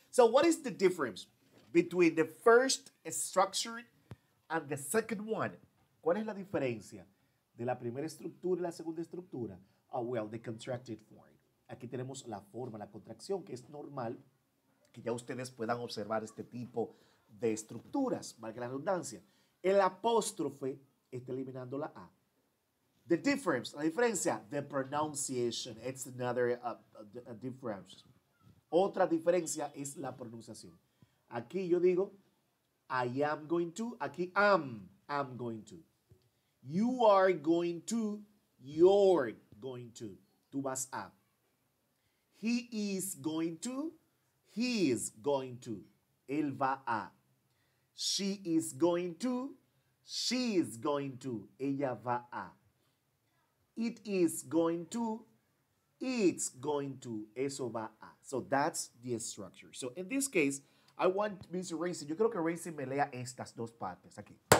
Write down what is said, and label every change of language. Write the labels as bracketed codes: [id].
[en] So, what is the difference between the first structure and the second one? [es] ¿Cuál es la diferencia de la primera estructura y la segunda estructura? [en] Oh, well, the contracted form. [es] Aquí tenemos la forma, la contracción, que es normal que ya ustedes puedan observar este tipo de estructuras, valga la redundancia. El apóstrofe está eliminando la A. [en] The difference, [es] la diferencia, [en] the pronunciation, it's another a difference. [es] Otra diferencia es la pronunciación. Aquí yo digo, [en] I am going to, [es] aquí [en] I'm going to. You are going to, you're going to, [es] tú vas a. [en] He is going to, he is going to, [es] él va a. [en] She is going to, she is going to, [es] ella va a. [en] It is going to, it's going to, [es] eso va a. [en] So that's the structure. So in this case, I want Miss Racing. [es] Yo creo que Racing me lea estas dos partes aquí.